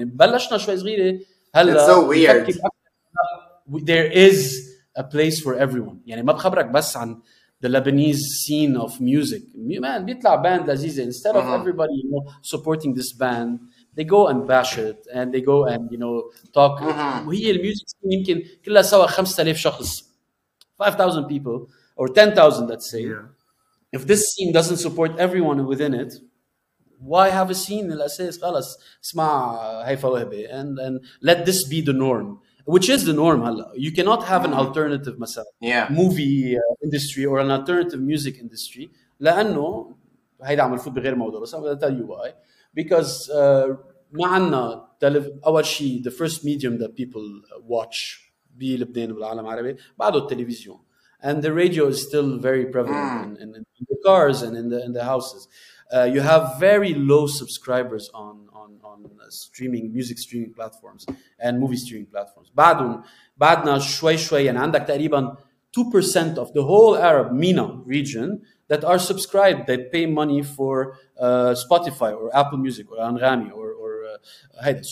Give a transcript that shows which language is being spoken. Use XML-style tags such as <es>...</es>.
<en>it's so weird. There is a place for everyone.</en> <ar>يعني ما بخبرك بس عن</ar> <en>the Lebanese scene of music.</en> <ar>Man, بيطلع band لذيذة.</ar> <en>Instead of everybody, you know, supporting this band, they go and bash it and they go and, you know, talk.</en> <ar>وهي الميوزك scene يمكن كلها سوا 5,000 شخص.</ar> <en>5,000 people or 10,000, let's say. Yeah. If this scene doesn't support everyone within it, why have a scene</en> <ar>اللي أساس خلاص اسمع هيفا وهبي</ar> <en>and let this be the norm. Which is the norm, you cannot have an alternative movie industry or an alternative music industry.</en> <ar>لأنه هيدا عمل فوت بغير موضوع.</ar> <en>So I'm going to tell you why. Because</en> <ar>ما عنا أول شيء</ar> <en>the first medium that people watch</en> <ar>في لبنان والعالم العربي بعده التلفزيون.</ar> <en>And the radio is still very prevalent in the cars and in the houses. You have very low subscribers on streaming music streaming platforms and movie streaming platforms.</en> <ar>بعدنا شوي شوي يعني عندك تقريبا</ar> <en>2% of the whole Arab MENA region that are subscribed, that pay money for Spotify or Apple Music or Anghami or هيدا.</en>